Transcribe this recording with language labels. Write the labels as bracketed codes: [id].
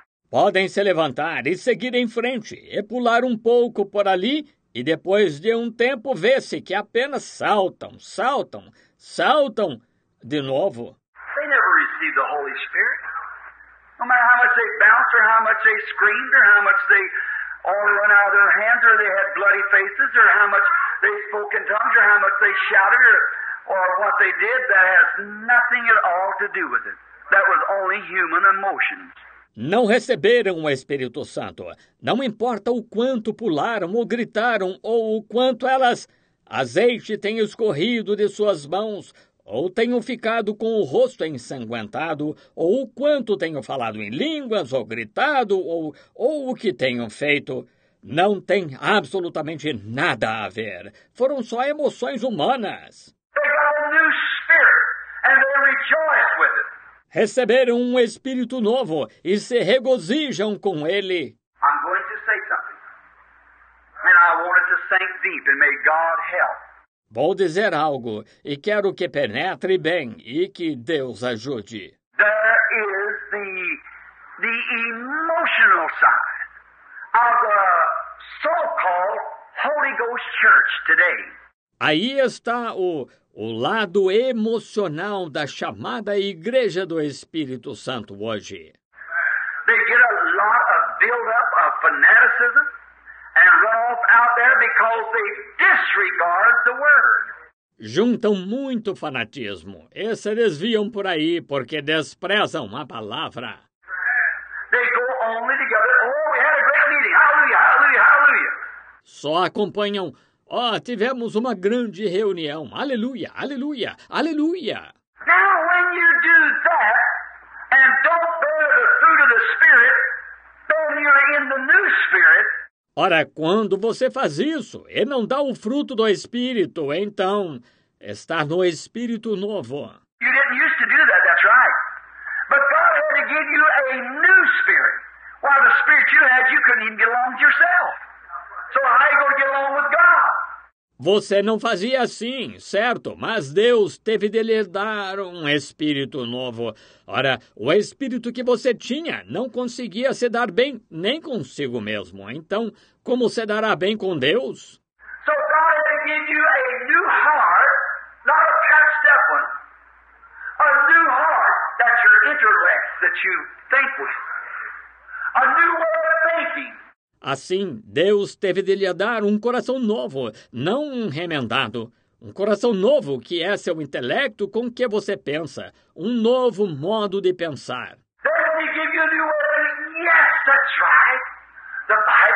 [pt] Podem se levantar e seguir em frente, e pular um pouco por ali, e depois de um tempo vê-se que apenas saltam, saltam, saltam de novo. [en] They never received the Holy Spirit. No matter how much they bounced, or how much they screamed, or how much they all run out of their hands, or they had bloody faces, or how much they spoke in tongues, or how much they shouted, or what they did, that has nothing at all to do with it. That was only human emotions. [pt] Não receberam o Espírito Santo. Não importa o quanto pularam ou gritaram ou o quanto elas azeite tenham escorrido de suas mãos ou tenham ficado com o rosto ensanguentado ou o quanto tenham falado em línguas ou gritado ou o que tenham feito. Não tem absolutamente nada a ver. Foram só emoções humanas. [en] They got a new spirit and they rejoice with it. [pt] Receberam um espírito novo e se regozijam com ele. [en] I'm going to say something. And I want it to sink deep and may God help. [pt] Vou dizer algo e quero que penetre bem e que Deus ajude. [en] There is the emotional side of the so-called Holy Ghost Church today. [pt] Aí está o lado emocional da chamada Igreja do Espírito Santo hoje. [en] They get a lot of build-up of fanaticism and run-off out there because they disregard the Word. [pt] Juntam muito fanatismo e se desviam por aí porque desprezam a palavra. [en] They go only together. Oh, we had a great meeting. Hallelujah, hallelujah, hallelujah. [pt] Só acompanham. Oh, tivemos uma grande reunião. Aleluia, aleluia, aleluia. [en] Now when you do that and don't bear the fruit of the Spirit, then you're in the new Spirit. [pt] Ora, quando você faz isso e não dá o fruto do Espírito, então está no Espírito novo. [en] You didn't used to do that, that's right. But God had to give you a new Spirit. While the Spirit you had, you couldn't even get along with yourself. So how are you going to get along with God? [pt] Você não fazia assim, certo? Mas Deus teve de lhe dar um espírito novo. Ora, o espírito que você tinha não conseguia se dar bem nem consigo mesmo. Então, como se dará bem com Deus? [en] So God had to give you a new heart, not a patched up one. A new heart, that's your intellect that you think with. A new way of thinking. [pt] Assim, Deus teve de lhe dar um coração novo, não um remendado. Um coração novo que é seu intelecto com que você pensa. Um novo modo de pensar. Deus lhe deu um novo modo. Sim, isso é certo. A Bíblia parece ser razoável.